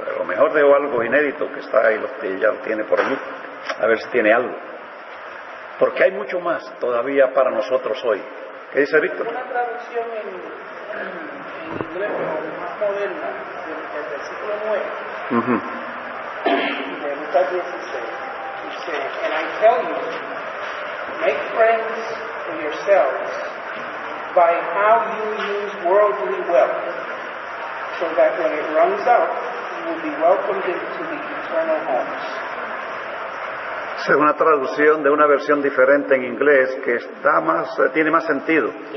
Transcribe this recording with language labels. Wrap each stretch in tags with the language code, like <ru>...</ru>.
<es>A lo mejor dejó algo inédito que está ahí, que ya lo tiene por allí. A ver si tiene algo. Porque hay mucho más todavía para nosotros hoy. ¿Qué dice Víctor? Una traducción en inglés, más moderna, del versículo 9. De Lucas 16. Dice,</es> <en>and I tell you, make friends for yourselves by how you use worldly wealth, so that when it runs out, you will be welcomed into the eternal homes.</en> <es>Según la traducción de una versión diferente en inglés que está más, tiene más sentido.</es>